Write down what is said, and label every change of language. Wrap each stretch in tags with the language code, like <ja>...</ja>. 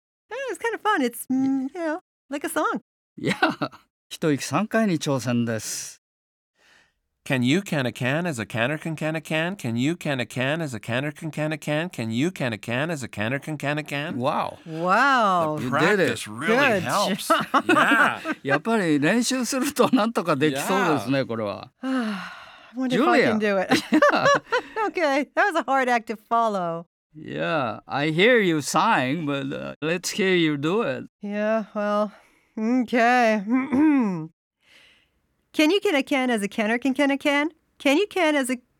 <en>Yeah, it's kind of fun. It's, you know, like a song.</en> <ja>Yeah. 一息三回に挑戦です。</ja> <en>Can you can a can as a canner can a can? Can you can a can as a canner can a can? Can you can a can as a canner can a can? Wow. Wow. The practice really helps. Yeah.</en> <ja>やっぱり練習するとなんとかできそうですね、これは。</ja> <en>I wonder Julia. If I can do it. Okay, that was a hard act to follow. Yeah, I hear you sighing, but let's hear you do it. Yeah, well, okay. Can you can a can as a canner can a can? Can you can as a...</en>